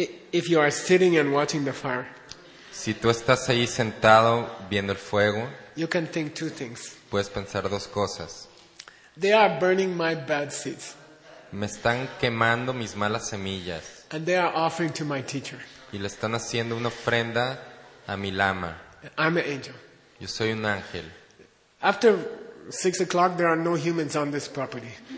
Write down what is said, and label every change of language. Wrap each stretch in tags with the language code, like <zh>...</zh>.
<en>If you are sitting and watching the fire.</en> <es>Si tú estás ahí sentado viendo el fuego.</es> <en>You can think two things.</en> <es>Puedes pensar dos cosas.</es> <en>They are burning my bad seeds.</en> <es>Me están quemando mis malas semillas.</es> <en>And they are offering to my teacher.</en> <es>Y le están haciendo una ofrenda a mi lama.</es> <en>I'm an angel.</en> <es>Yo soy un ángel.</es> <en>After 6 o'clock, there are no humans on this property.</en>